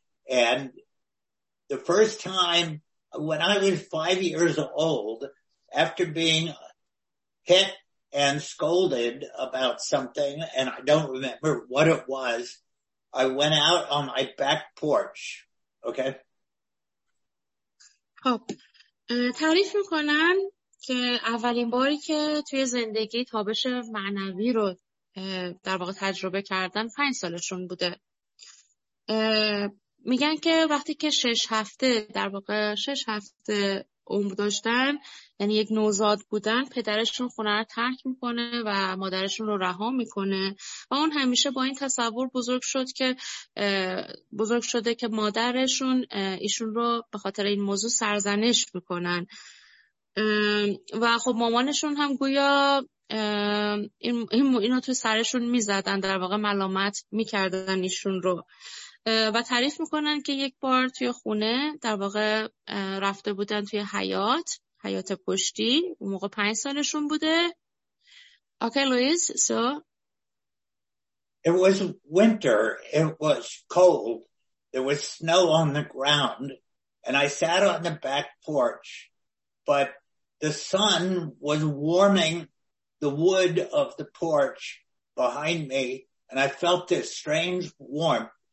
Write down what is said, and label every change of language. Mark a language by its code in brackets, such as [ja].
[en] And the first time when I was 5 years old, after being hit and scolded about something, and I don't remember what it was, I went out on my back porch. Okay? [fa] خب تعریف میکنن که اولین باری که توی زندگی تابش معنوی رو در واقع تجربه کردن 5 سالشون بوده میگن که وقتی که 6 هفته در واقع 6 هفته عمر داشتن، یعنی یک نوزاد بودن، پدرشون خونه رو ترک میکنه و مادرشون رو رها میکنه و اون همیشه با این تصور بزرگ شده که مادرشون ایشون رو به خاطر این موضوع سرزنش میکنن و خب مامانشون هم گویا این رو تو سرشون میزدن، در واقع ملامت میکردن ایشون رو و تعریف میکنن که یک بار توی خونه در واقع رفته بودن توی حیات پشتی، اون موقع 5 سالشون بوده. [en] Okay, Louise, so it was winter, it was cold, there was snow on the ground, and I sat on the back porch, but the sun was warming the wood of the porch behind me, and I felt this strange warmth.